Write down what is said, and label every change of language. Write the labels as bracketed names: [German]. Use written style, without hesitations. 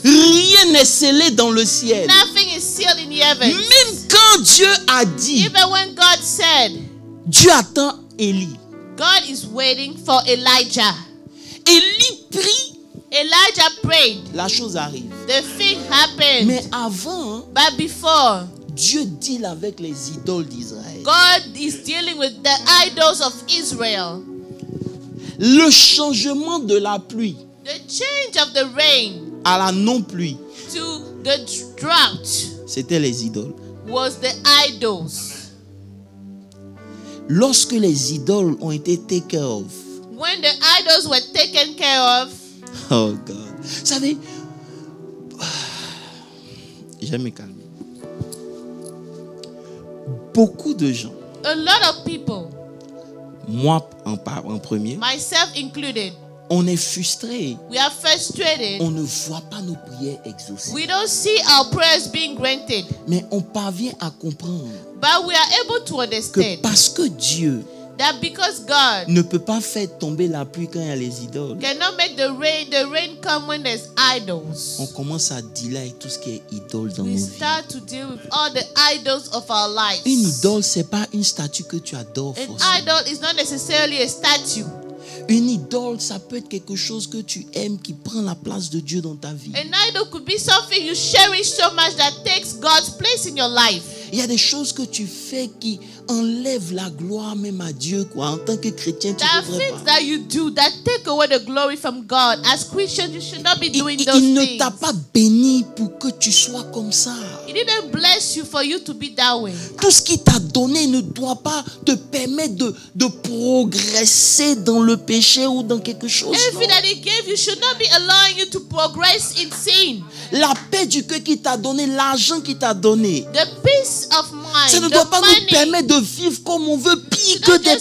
[French] rien n'est scellé dans le ciel. [English] Nothing is sealed in the heavens. [French] Même quand Dieu a dit, [English] even when God said, [French] Dieu attend Élie. [English] God is waiting for Elijah. [French] Élie prie. [English] Elijah prayed. [French] La chose arrive. [English] The thing happened. [French] Mais avant, [English] but before, [French] Dieu deal avec les idoles d'Israël. [English] God is dealing with the idols of Israel. [French] Le changement de la pluie. [English] The change of the rain. [French] À la non pluie. [English] To the drought. [French] C'était les idoles. [English] Was the idols. [French] Lorsque les idoles ont été [English] taken of. When the idols were taken care of. Oh God. [French] Vous savez, je vais me calmer. Beaucoup de gens. [English] A lot of people. [French] Moi en premier. [English] Myself included. [French] On est frustré. [English] We are frustrated. [French] On ne voit pas nos prières exaucées. [English] We don't see our prayers being granted. [French] Mais on parvient à comprendre. [English] But we are able to understand. [French] Que parce que Dieu. [English] That because God [French] ne peut pas faire tomber la pluie quand il y a les idoles. [English] Cannot make the rain come when there's idols. [French] On commence à dealer avec tout ce qui est idole dans [English] We [French] nos [English] start [French] vies. [English] To deal with all the idols of our lives. [French] Une idole c'est pas une statue que tu adores. [English] An idol is not necessarily a statue. [French] Une idole ça peut être quelque chose que tu aimes qui prend la place de Dieu dans ta vie. [English] An idol could be something you cherish so much that takes God's place in your life. [French] Il y a des choses que tu fais qui enlèvent la gloire même à Dieu quoi. En tant que chrétien, tu ne devrais pas. [English] The things that you do that take away the glory from God. As Christians, you should not be doing those things. [French] Il ne t'a pas béni pour que tu sois comme ça. [English] He didn't bless you for you to be that way. [French] Tout ce qu'il t'a donné ne doit pas te permettre de progresser dans le péché ou dans quelque chose. [English] Everything that he gave you should not be allowing you to progress in sin. [French] La paix du cœur qu'il t'a donné, l'argent qu'il t'a donné. [English] The peace of mind, [French] ça ne doit pas [English] money, [French] nous permettre de vivre comme on veut, pire que des